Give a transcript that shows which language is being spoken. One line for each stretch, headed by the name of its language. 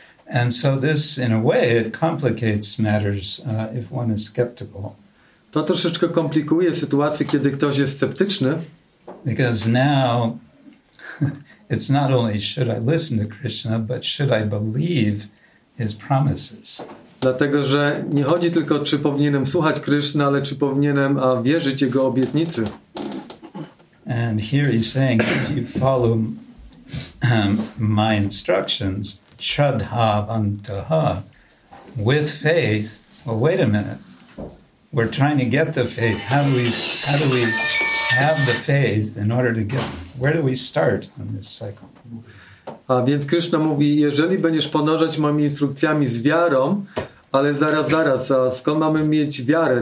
English: And so this, in a way, it complicates matters if one is skeptical.
Polish: To troszeczkę komplikuje sytuację, kiedy ktoś jest sceptyczny.
English: Because now, it's not only should I listen to Krishna, but should I believe his promises.
Polish: Dlatego, że nie chodzi tylko, czy powinienem słuchać Kryszny, ale czy powinienem wierzyć Jego obietnicy.
English: And here he's saying, if you follow my instructions, shradhavantaha, with faith, well, wait a minute, we're trying to get the faith. How do we have the faith in order to get, where do we start on this cycle?
Polish: A więc Kryszna mówi, jeżeli będziesz podążać moimi instrukcjami z wiarą, ale zaraz, a skąd mamy mieć wiarę?